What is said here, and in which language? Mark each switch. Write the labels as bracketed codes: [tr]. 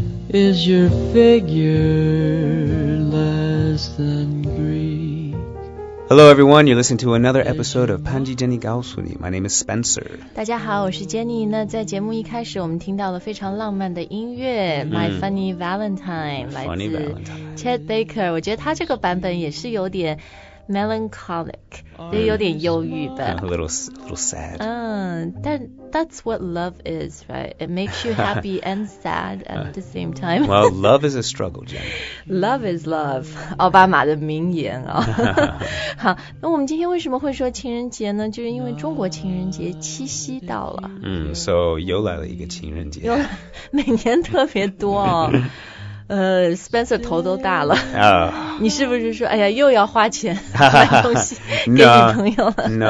[en] Is your figure less than Greek? Hello everyone, you're listening to another episode of Panji Jenny 告诉你 My name is Spencer. [zh] 大家好，我是 Jenny。那在节目一开始我们听到了非常浪漫的音乐、My Funny Valentine, [en] Funny Valentine [zh] 来自 Chet Baker。我觉得他这个版本也是有点melancholic, 就有点忧郁吧。 [en] A little sad. 但 that's what love is, right? It makes you happy and sad at the same time. Well, love is a struggle, Jenny. Love is love. [zh] 奥巴马的名言哦。好，那我们今天为什么会说情人节呢？就是因为中国情人节七夕到了。 So 又来了一个情人节。每年特别多哦。 Spencer 头都大了、你是不是说哎呀又要花钱买东西给女朋友了